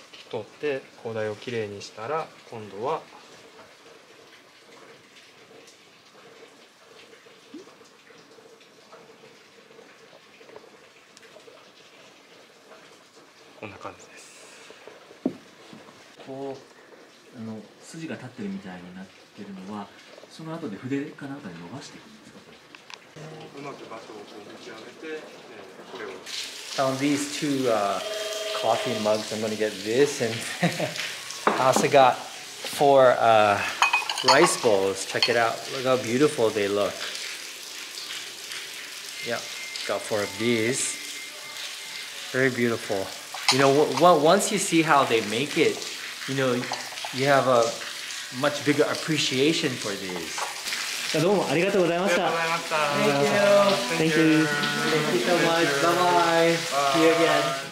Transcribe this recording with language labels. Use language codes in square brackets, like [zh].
[ja] 取って高台をきれいにしたら今度は感じです。こうあの筋が立ってるみたいになってるのはその後で筆かなんかで伸ばしていくんですか。うまく場所を見極めて、これを。 [en] Found these two coffee mugs. I'm going to get this and also got four rice bowls. Check it out. Look how beautiful they look. Yeah, got four of these. Very beautiful. You know, once you see how they make it, you know, you have a much bigger appreciation for these. [ja] どうもありがとうございました。ありがとうございました。 [en] Thank you. Thank you. Thank you so much. Bye-bye. See you again.